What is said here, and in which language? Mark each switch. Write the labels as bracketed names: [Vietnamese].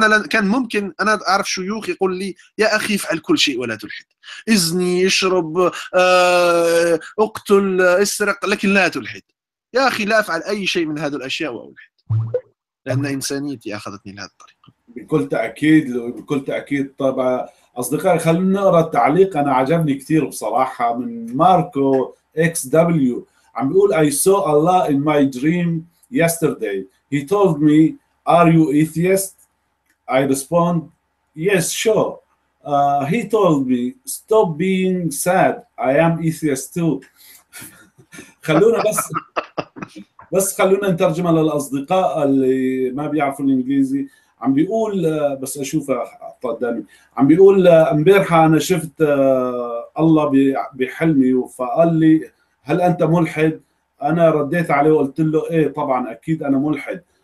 [Arabic] كان ممكن، أنا أعرف شيوخ يقول لي يا أخي افعل كل شيء ولا تلحد، إزني، اشرب، اقتل، اسرق، لكن لا تلحد. يا أخي لا أفعل أي شيء من هذه الأشياء وألحد، لأن إنسانيتي أخذتني لهذه الطريقة. بكل تأكيد طبعا. أصدقائي خلونا نقرأ التعليق، أنا عجبني كثير بصراحة، من ماركو [English] XW [Arabic] عم بيقول [English] I saw Allah in my dream yesterday. He told me, are you atheist? I respond, yes, sure. He told me, stop being sad. I am atheist too. [Arabic] خلونا بس خلونا نترجمها للأصدقاء اللي ما بيعرفوا الإنجليزي. عم بيقول بس أشوفه قدامي. عم بيقول امبارحة أنا شفت الله بحلمي فقال لي هل أنت ملحد؟ أنا رديت عليه وقلت له إيه طبعا أكيد أنا ملحد.